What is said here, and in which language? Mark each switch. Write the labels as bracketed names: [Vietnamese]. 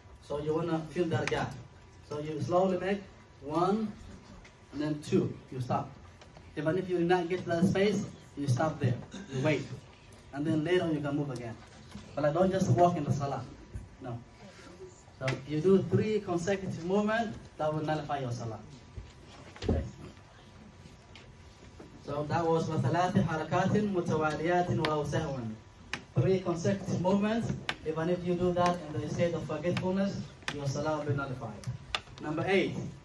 [English] So you want to fill that gap. So you slowly make one, and then two, you stop. Even if you do not get to that space, you stop there, you wait. And then later on you can move again. But I don't just walk in the salah, no. So you do three consecutive movements, that will nullify your salah. Okay. So that was [Arabic] وَثَلَاثِ حَرَكَاتٍ مُتَوَالِيَاتٍ وَأَوْسَهُونَ. [English] Three consecutive movements, even if you do that in the state of forgetfulness, your salah will be nullified. Number eight.